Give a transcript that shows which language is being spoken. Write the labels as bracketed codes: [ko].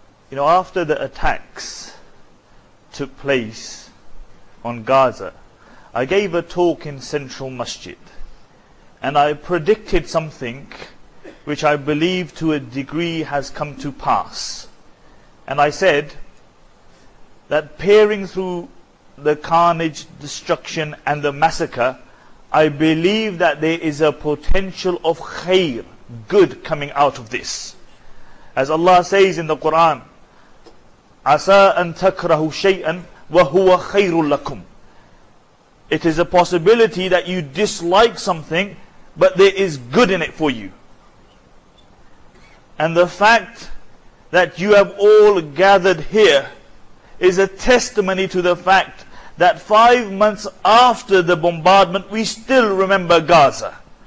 [en] You know, after the attacks took place on Gaza, I gave a talk in Central Masjid and I predicted something which I believe to a degree has come to pass. And I said that peering through the carnage, destruction and the massacre, I believe that there is a potential of khair, good coming out of this. [ar] As Allah says in the Quran, عَسَىٰ أَن تَكْرَهُ شَيْئًا وَهُوَ خَيْرٌ لَكُمْ. [en] It is a possibility that you dislike something, but there is good in it for you. And the fact that you have all gathered here is a testimony to the fact that 5 months after the bombardment, we still remember Gaza.